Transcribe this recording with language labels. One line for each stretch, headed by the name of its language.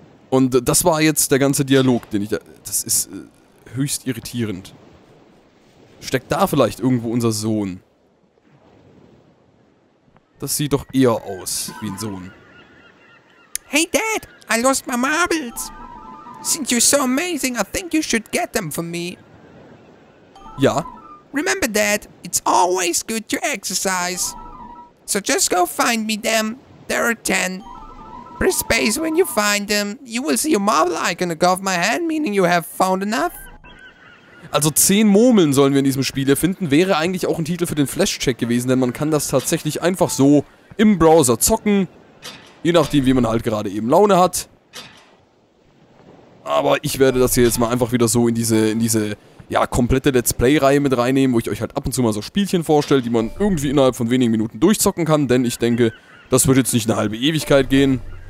German: Und das war jetzt der ganze Dialog, den ich da... Das ist höchst irritierend. Steckt da vielleicht irgendwo unser Sohn? Das sieht doch eher aus wie ein Sohn.
English: Hey Dad, I lost my marbles. Since you're so amazing, I think you should get them for me.
German: Ja.
English: Remember, Dad, it's always good to exercise. So just go find me them. There are 10. Press space when you find them. You will see a marble icon above my hand, meaning you have found enough.
German: Also 10 Murmeln sollen wir in diesem Spiel erfinden. Wäre eigentlich auch ein Titel für den Flash-Check gewesen, denn man kann das tatsächlich einfach so im Browser zocken. Je nachdem, wie man halt gerade eben Laune hat. Aber ich werde das hier jetzt mal einfach wieder so in diese ja, komplette Let's Play-Reihe mit reinnehmen, wo ich euch halt ab und zu mal so Spielchen vorstelle, die man irgendwie innerhalb von wenigen Minuten durchzocken kann, denn ich denke, das wird jetzt nicht eine halbe Ewigkeit gehen.